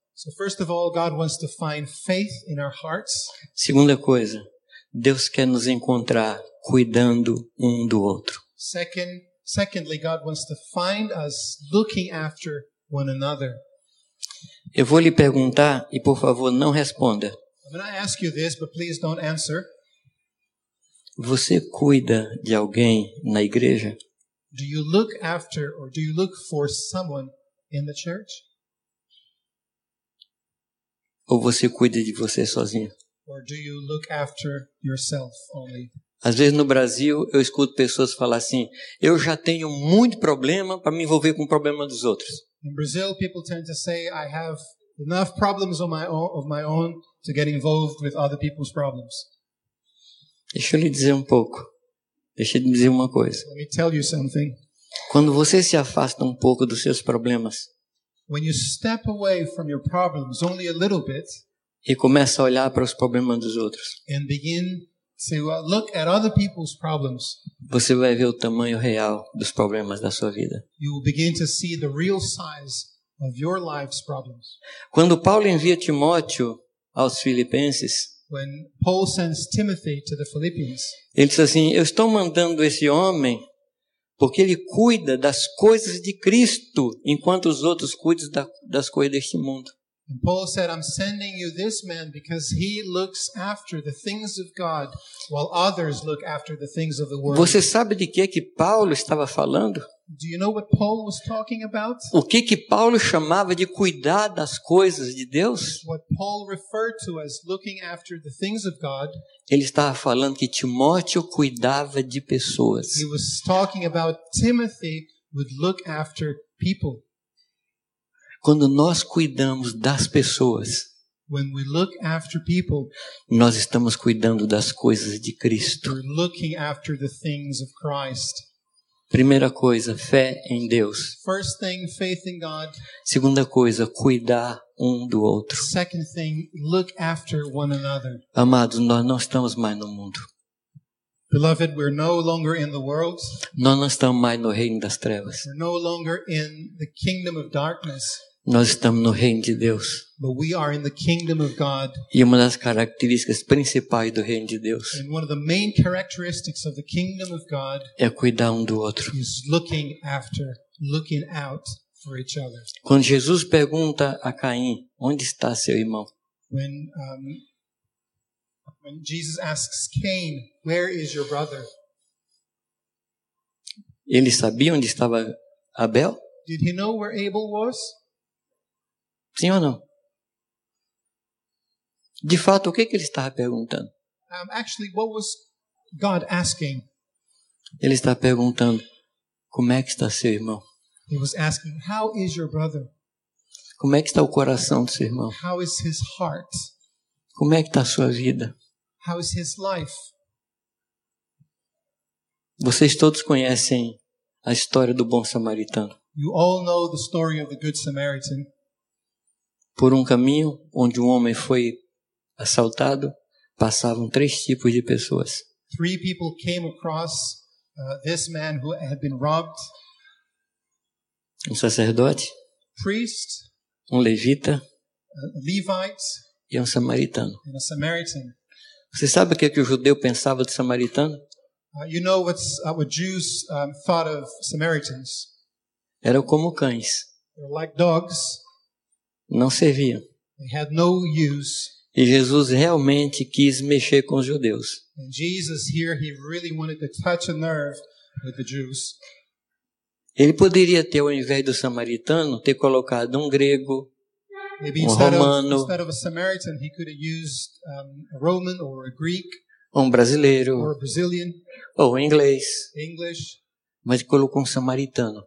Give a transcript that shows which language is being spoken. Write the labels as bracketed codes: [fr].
[en] So first of all, God wants to find faith in our hearts. [pt] Segunda coisa, Deus quer nos encontrar cuidando um do outro. [en] Secondly, God wants to find us looking after one another. [pt] Eu vou lhe perguntar e por favor não responda. [en] I'm going to ask you this, but please don't answer. [pt] Você cuida de alguém na igreja? [en] Do you look after or do you look for someone in the church? [pt] Ou você cuida de você sozinho? [en] Or do you look after yourself only? [pt] Às vezes no Brasil eu escuto pessoas falar assim: eu já tenho muito problema para me envolver com o problema dos outros. [en] In Brazil people tend to say I have enough problems of my own to get involved with other people's problems. [pt] Deixa eu lhe dizer um pouco. Deixa eu dizer uma coisa. [en] Let me tell you something. [pt] Quando você se afasta um pouco dos seus problemas, [en] when you step away from your problems only a little bit, [pt] e começa a olhar para os problemas dos outros, [en] and begin to look at other people's problems, [pt] você vai ver o tamanho real dos problemas da sua vida. [en] You will begin to see the real size of your life's problems. [pt] Quando Paulo envia Timóteo aos Filipenses, [en] when Paul sends Timothy to the Philippians, [pt] ele diz assim: eu estou mandando esse homem porque ele cuida das coisas de Cristo, enquanto os outros cuidam das coisas deste mundo. [en] And Paul said, I'm sending you this man because he looks after the things of God, while others look after the things of the world. [pt] Você sabe de que Paulo estava falando? [en] Do you know what Paul was talking about? [pt] O que Paulo chamava de cuidar das coisas de Deus? [en] What Paul referred to as looking after the things of God. [pt] Ele estava falando que Timóteo cuidava de pessoas. [en] He was talking about Timothy would look after people. [pt] Quando nós cuidamos das pessoas, [en] when we look after people, [pt] nós estamos cuidando das coisas de Cristo. [en] We're looking after the things of Christ. [pt] Primeira coisa, fé em Deus. [en] First thing, faith in God. [pt] Segunda coisa, cuidar um do outro. [en] Second thing, look after one another. [pt] Amados, nós não estamos mais no mundo. [en] Beloved, we're no longer in the world. [pt] Nós não estamos mais no reino das trevas. [en] We're no longer in the kingdom of darkness. [pt] Nós estamos no reino de Deus. [en] But we are in the kingdom of God. [pt] E uma das características principais do reino de Deus, [en] and one of the main characteristics of the kingdom of God, [pt] é cuidar um do outro. [en] Is looking after, looking out for each other. [pt] Quando Jesus pergunta a Caim, onde está seu irmão? [en] When Jesus asks Cain, where is your brother? [pt] Ele sabia onde estava Abel? [en] Did he know where Abel was? [pt] Sim ou não? De fato, o que ele estava perguntando? [en] Actually, what was God asking? [pt] Ele estava perguntando, como é que está seu irmão? [en] He was asking, how is your brother? [pt] Como é que está o coração do seu irmão? [en] How is his heart? [pt] Como é que está a sua vida? [en] How is his life? [pt] Vocês todos conhecem a história do bom samaritano. [en] You all know the story of the good Samaritan. [pt] Por um caminho onde um homem foi assaltado, passavam três tipos de pessoas. [en] Three people came across this man who had been robbed. [pt] Um sacerdote, [en] priest, [pt] um levita, [en] Levite, [pt] e um samaritano. [en] And a Samaritan. [pt] Você sabe o que o judeu pensava do samaritano? [en] You know what Jews thought of Samaritans? [pt] Eram como cães. [en] They're like dogs. [pt] Não serviam. [en] They had no use. [pt] E Jesus realmente quis mexer com os judeus. [en] And Jesus here, he really wanted to touch a nerve with the Jews. [pt] Ele poderia ter, ao invés do samaritano, ter colocado um grego, [en] maybe [pt] um romano, [en] instead of a Samaritan, he could have used a Roman or a Greek, [pt] um brasileiro, [en] or a Brazilian, [pt] ou um inglês. [en] English. [pt] Mas colocou um samaritano.